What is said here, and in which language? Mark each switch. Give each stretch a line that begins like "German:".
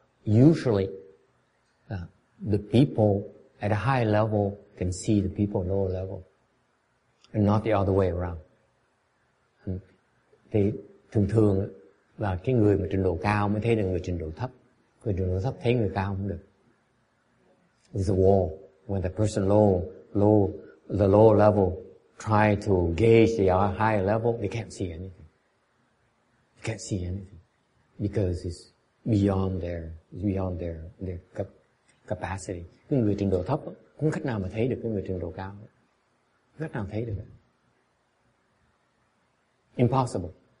English: Usually, the people at a high level can see the people at lower level. And not the other way around.
Vietnamese: Thì thường thường là cái người mà trình độ cao mới thấy được người trình độ thấp. Người trình độ thấp thấy người cao không được.
English: It's a war. When the person low level try to gauge the higher level, they can't see anything. They can't see anything. Because it's beyond their capacity.
Vietnamese: Người trình độ thấp Không cách nào mà thấy được cái người trình độ cao. Không cách nào thấy được.
English: Impossible.